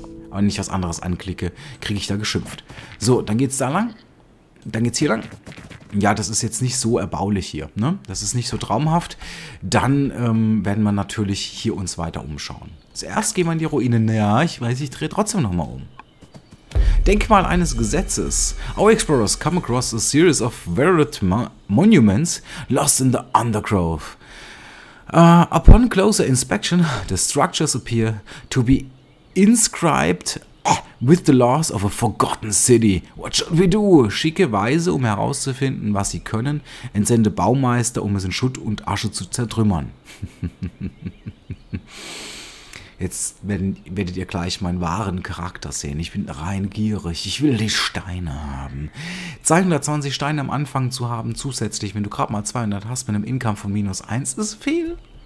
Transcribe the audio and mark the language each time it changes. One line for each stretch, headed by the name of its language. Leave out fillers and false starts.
German: Aber wenn ich was anderes anklicke, kriege ich da geschimpft. So, dann geht's da lang. Dann geht's hier lang. Ja, das ist jetzt nicht so erbaulich hier, ne? Das ist nicht so traumhaft. Dann werden wir natürlich hier uns weiter umschauen. Zuerst gehen wir in die Ruine. Naja, ich weiß, ich drehe trotzdem nochmal um. Denkmal eines Gesetzes.
English: Our explorers come across a series of varied monuments lost in the undergrowth. Upon closer inspection, the structures appear to be inscribed with the laws of a forgotten city. What should we do?
German: Schicke Weise, um herauszufinden, was sie können. Entsende Baumeister, um es in Schutt und Asche zu zertrümmern. Jetzt werdet ihr gleich meinen wahren Charakter sehen. Ich bin rein gierig. Ich will die Steine haben. 220 Steine am Anfang zu haben, zusätzlich, wenn du gerade mal 200 hast, mit einem Income von minus 1, ist viel.